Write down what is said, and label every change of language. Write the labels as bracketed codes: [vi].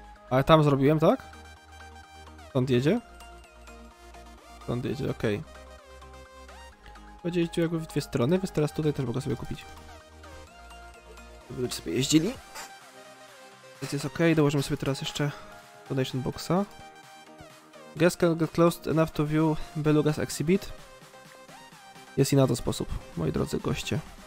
[pl] Ale tam zrobiłem, tak? Stąd jedzie? Stąd jedzie, okej. Okay. Będzie jeździł jakby w dwie strony, więc teraz tutaj też mogę sobie kupić. Żeby sobie jeździli. Więc jest okej, okay. Dołożymy sobie teraz jeszcze donation boxa. [en] Guests can get close enough to view Beluga's exhibit. [pl] Jest i na to sposób, moi drodzy goście.